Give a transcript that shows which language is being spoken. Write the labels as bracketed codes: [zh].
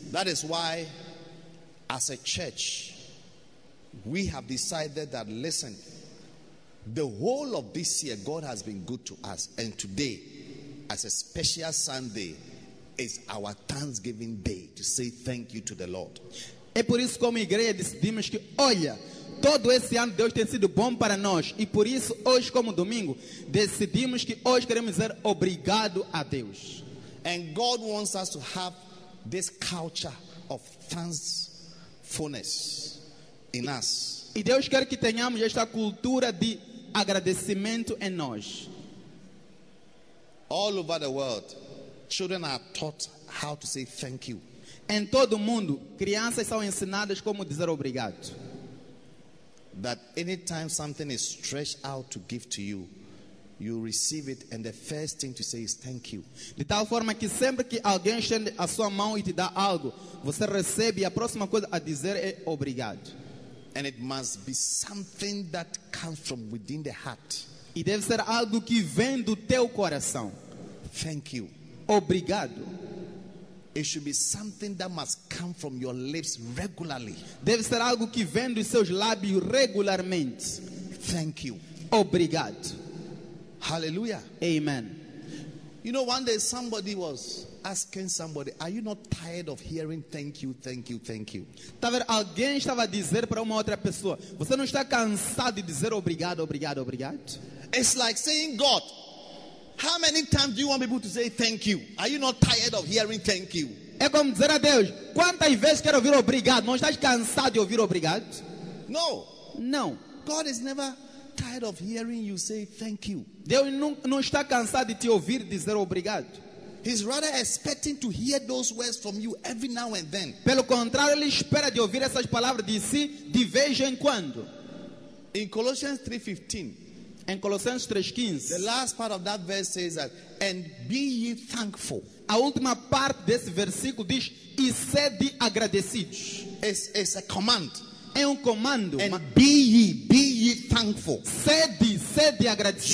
[en] That is why, as a church, we have decided that, listen, the whole of this year, God has been good to us. And today, as a special Sunday, is our Thanksgiving day to say thank you to the Lord. [pt] É por isso como igreja decidimos que, olha, todo esse ano Deus tem sido bom para nós, e por isso hoje como domingo decidimos que hoje queremos dizer obrigado a Deus. [en] And God wants us to have this culture of thankfulness in us. [pt] E Deus quer que tenhamos esta cultura de agradecimento em nós. [en] All over the world, children are taught how to say thank you. [pt] Em todo mundo, crianças são ensinadas como dizer obrigado. [en] That anytime something is stretched out to give to you, you receive it and the first thing to say is thank you. [pt] De tal forma que sempre que alguém estende a sua mão e te dá algo, você recebe e a próxima coisa a dizer é obrigado. [en] And it must be something that comes from within the heart. [pt] E deve ser algo que vem do teu coração. [en] Thank you. [pt] Obrigado. [en] It should be something that must come from your lips regularly. [pt] Deve ser algo que vem dos seus lábios regularmente. [en] Thank you. [pt] Obrigado. [en] Hallelujah. Amen. You know, one day somebody was asking somebody, "Are you not tired of hearing thank you, thank you, thank you?" [pt] Estava alguém estava a dizer para uma outra pessoa, "Você não está cansado de dizer obrigado, obrigado, obrigado?" [en] It's like saying, "God, how many times do you want people to say thank you? Are you not tired of hearing thank you?" [pt] É como dizer a Deus, quantas vezes quero ouvir obrigado? Não estás cansado de ouvir obrigado? [en] No. [pt] Não. [en] God is never tired of hearing you say thank you. [pt] Deus não está cansado de te ouvir dizer obrigado. [en] He's rather expecting to hear those words from you every now and then. [pt] Pelo contrário, ele espera de ouvir essas palavras de si de vez em quando. [en] In Colossians 3:15. [pt] Em Colossenses 3:15, [en] the last part of that verse says that, "And be ye thankful." [pt] A última parte desse versículo diz, "E sede agradecidos." [en] It's a command. [pt] É comando. [en] And be ye thankful. [pt] Sede agradecidos.